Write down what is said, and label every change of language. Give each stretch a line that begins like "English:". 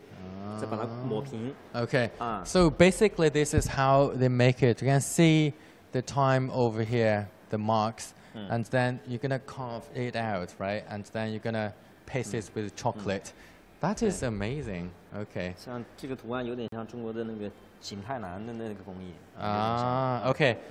Chinese: 这个我们是先把巧克力里面把那个字，每个点把它刻出来，刻个纹路。啊哈。白色的巧克力刻个纹路之后呢，它有个凹坑了嘛。啊哈。然后呢，把黑色的巧克力再抹进去，再把它抹平。Okay.
English: So basically, this is how they make it. You can see the time over here, the marks, and then you're gonna carve it out, right? And then you're gonna paste it with chocolate. That is amazing. Okay.
Chinese: 像这个图案有点像中国的那个景泰蓝的那个工艺。啊，OK.